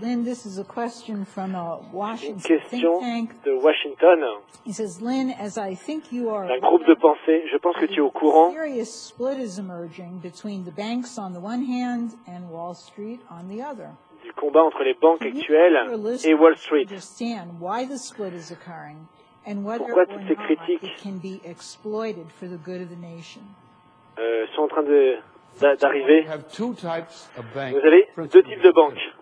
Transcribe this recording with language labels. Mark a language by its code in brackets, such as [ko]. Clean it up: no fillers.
[en] Lynn, this is a question from a Washington think tank. [fr] De Washington. [en] He says, Lynn, as I think you are [fr] un groupe de pensée, je pense que tu es au courant. [en] A serious split is emerging between the banks on the one hand and Wall Street on the other. [fr] Du combat entre les banques actuelles et Wall Street. Pourquoi toutes ces critiques sont en train d'arriver? Vous avez deux types de banques.